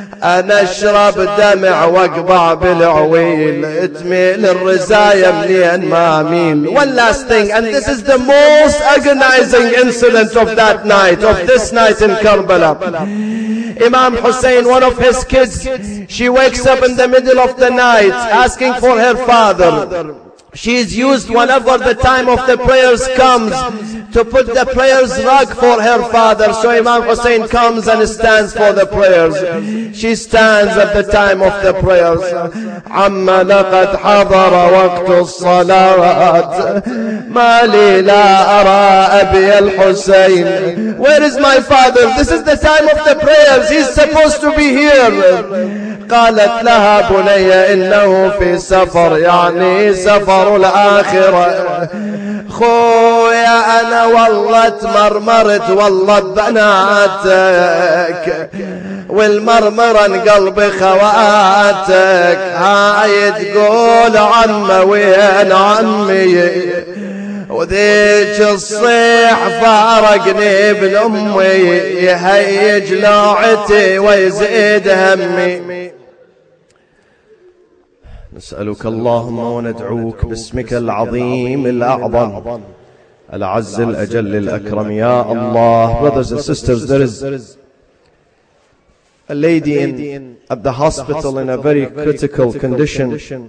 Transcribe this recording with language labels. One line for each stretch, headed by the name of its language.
Arabic: أنا أشرب دمع وأقبع بالعويل تميل الرزايا منين ما ميل
English: One last thing and this is the most agonizing incident of that night of this night in Karbala Imam Hussein one of his kids she wakes up in the middle of the night asking for her father She is used whenever the time of the prayers comes to put the prayers rug for her father. So Imam Hussein comes and stands for the prayers. She stands at the time of the prayers.
Arabic: عما لقد حضر وقت الصلاوات ما لي لا أرى أبي الحسين
English: Where is my father? This is the time of the prayers. He's supposed to be here.
Arabic: قالت لها بني إنه في سفر يعني سفر الآخرة خويا أنا والله تمرمرت والله بناتك والمرمرة قلبي خواتك هاي تقول عم وين عمي وذيك الصيح فارقني ابن أمي يهيج لوعتي ويزيد همي. نسألك اللهم وندعوك باسمك العظيم الأعظم العز الأجل الأكرم يا الله.
English: Brothers and sisters, there is a lady in at the hospital in a very critical condition.